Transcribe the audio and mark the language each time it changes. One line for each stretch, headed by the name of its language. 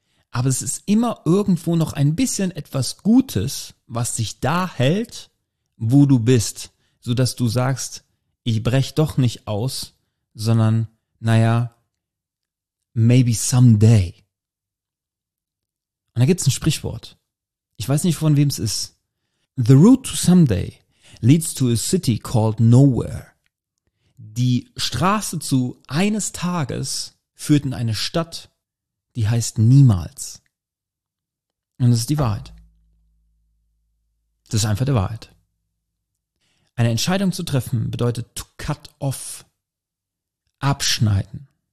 German: Aber es ist immer irgendwo noch ein bisschen etwas Gutes, was sich da hält, wo du bist, sodass du sagst, ich brech doch nicht aus, sondern, naja,
English: maybe someday.
German: Und da gibt es ein Sprichwort. Ich weiß nicht, von wem es ist.
English: The route to someday leads to a city called nowhere.
German: Die Straße zu eines Tages führt in eine Stadt, die heißt niemals. Und das ist die Wahrheit. Das ist einfach die Wahrheit. Eine Entscheidung zu treffen bedeutet
English: to cut off,
German: abschneiden.